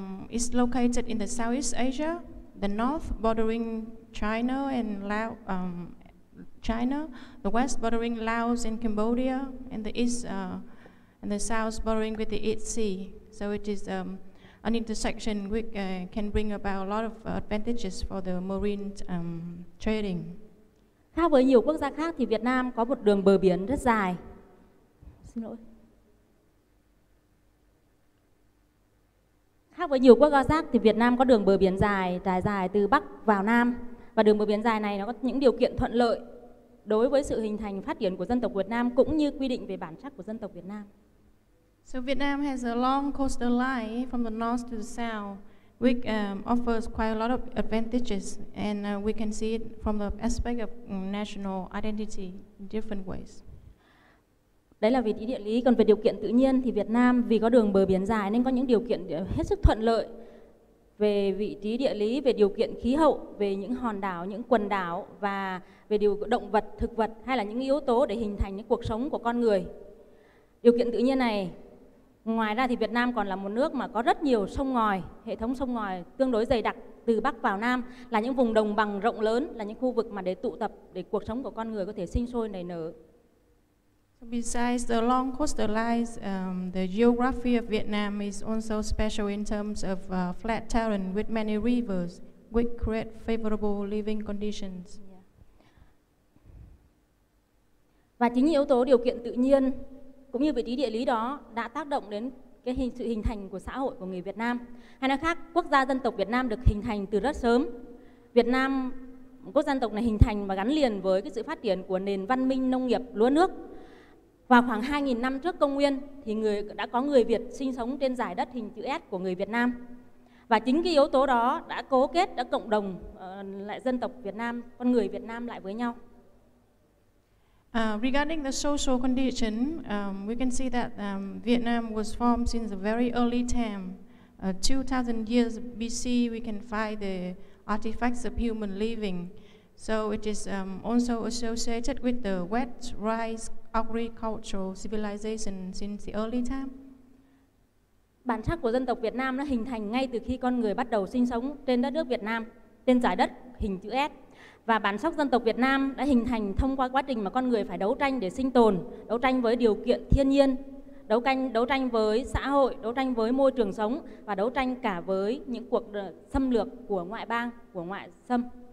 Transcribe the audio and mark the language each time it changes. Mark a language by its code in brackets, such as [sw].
[en] It's located in the Southeast Asia, the north bordering China and Laos, China, the west bordering Laos and Cambodia, and the east and the south bordering with the East Sea. So it is an intersection which can bring about a lot of advantages for the marine trading. [vi] Khác với nhiều quốc gia khác thì Việt Nam có một đường bờ biển rất dài. Xin lỗi. Khác với nhiều quốc gia khác thì Việt Nam có đường bờ biển dài, trải dài từ Bắc vào Nam. Và đường bờ biển dài này nó có những điều kiện thuận lợi đối với sự hình thành phát triển của dân tộc Việt Nam cũng như quy định về bản sắc của dân tộc Việt Nam. [en] So Vietnam has a long coastal line from the north to the south, which offers quite a lot of advantages, and we can see it from the aspect of national identity in different ways. [vi] Đấy là vị trí địa lý. Còn về điều kiện tự nhiên thì Việt Nam vì có đường bờ biển dài nên có những điều kiện hết sức thuận lợi về vị trí địa lý, về điều kiện khí hậu, về những hòn đảo, những quần đảo và về điều động vật, thực vật hay là những yếu tố để hình thành những cuộc sống của con người. Điều kiện tự nhiên này, ngoài ra thì Việt Nam còn là một nước mà có rất nhiều sông ngòi, hệ thống sông ngòi tương đối dày đặc từ Bắc vào Nam, là những vùng đồng bằng rộng lớn, là những khu vực mà để tụ tập để cuộc sống của con người có thể sinh sôi nảy nở. [en] Besides the long coastal lines, the geography of Vietnam is also special in terms of flat terrain with many rivers, which create favorable living conditions. [vi] Và chính yếu tố điều kiện tự nhiên cũng như vị trí địa lý đó đã tác động đến cái hình sự hình thành của xã hội của người Việt Nam. Hay nói khác, quốc gia dân tộc Việt Nam được hình thành từ rất sớm. Việt Nam, quốc gia dân tộc này hình thành và gắn liền với cái sự phát triển của nền văn minh nông nghiệp lúa nước. Và khoảng 2.000 năm trước công nguyên thì người đã có người Việt sinh sống trên dải đất hình chữ S của người Việt Nam. Và chính cái yếu tố đó đã cố kết, đã cộng đồng lại dân tộc Việt Nam, con người Việt Nam lại với nhau. [en] Regarding the social condition, we can see that Vietnam was formed since a very early time. 2000 years BC, we can find the artifacts of human living. So it is also associated with the wet rice agricultural civilization since the early time. [vi] Bản sắc của dân tộc Việt Nam nó hình thành ngay từ khi con người bắt đầu sinh sống trên đất nước Việt Nam, trên dải đất hình chữ S. Và bản sắc dân tộc Việt Nam đã hình thành thông qua quá trình mà con người phải đấu tranh để sinh tồn, đấu tranh với điều kiện thiên nhiên, đấu tranh với xã hội, đấu tranh với môi trường sống và đấu tranh cả với những cuộc xâm lược của ngoại bang, của ngoại xâm.